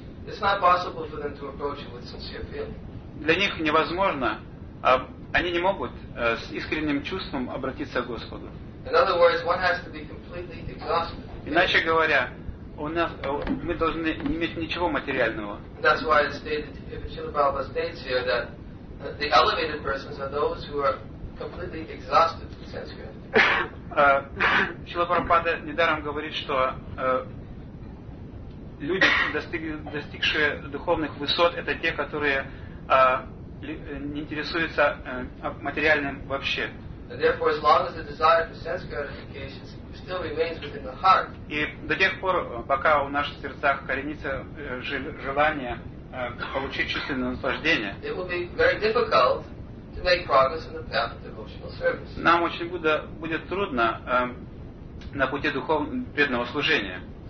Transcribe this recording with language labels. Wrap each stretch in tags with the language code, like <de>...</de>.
<en>It's not possible for them to approach him with sincere feeling.</en> <ru>Для них невозможно, они не могут с искренним чувством обратиться к Господу.</ru> <en>In other words, one has to be completely exhausted.</en> <ru>Иначе говоря, у нас, мы должны не иметь ничего материального.</ru> <en>That's why it's stated, if Srila Prabhupada states here that the elevated persons are those who are completely exhausted with sense gratification.</en> <ru>Шрила Прабхупада недаром говорит, что люди, достигшие духовных высот, это те, которые не интересуются материальным вообще.</ru> <en>And therefore, as long as the desire for sense gratification still remains within the heart.</en> <ru>И до тех пор, пока у наших сердцах коренится желание получить чувственное наслаждение,</ru> <en>it will be very difficult to make progress in the path of devotional service.</en> <ru>Нам очень будет трудно на пути преданного служения.</ru>